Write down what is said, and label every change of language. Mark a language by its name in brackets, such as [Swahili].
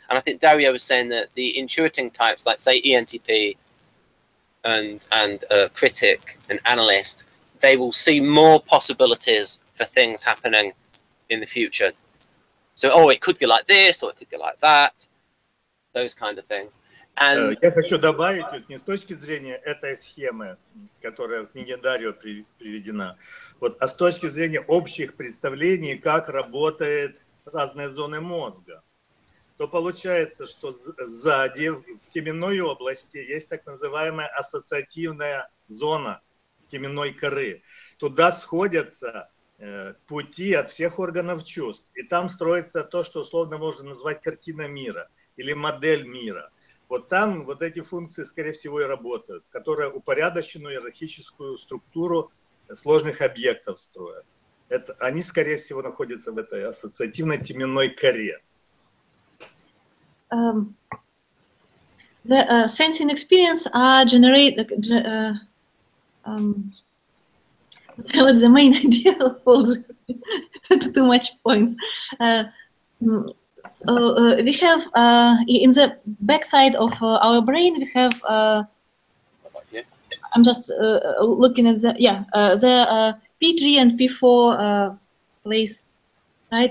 [English] And I think Dario was saying that the intuiting types, like say ENTP and critic and analyst, they will see more possibilities for things happening in the future. So, oh, it could be like this, or it could be like that, those kind of things. And [Russian] я хочу добавить, вот не с точки зрения этой схемы, которая в книге Дарио приведена, вот, а с точки зрения общих представлений, как работают разные зоны мозга, то получается, что сзади, в теменной области, есть так называемая ассоциативная зона теменной коры. Туда сходятся пути от всех органов чувств, и там строится то, что условно можно назвать картина мира или модель мира. Вот там вот эти функции, скорее всего, и работают, которые упорядоченную иерархическую структуру сложных объектов строят. Это, они, скорее всего, находятся в этой ассоциативной теменной коре. [English] The sensing experience are generate the main idea for this. Too much points. So we have in the backside of our brain we have I'm just looking at the P3 and P4 place, right?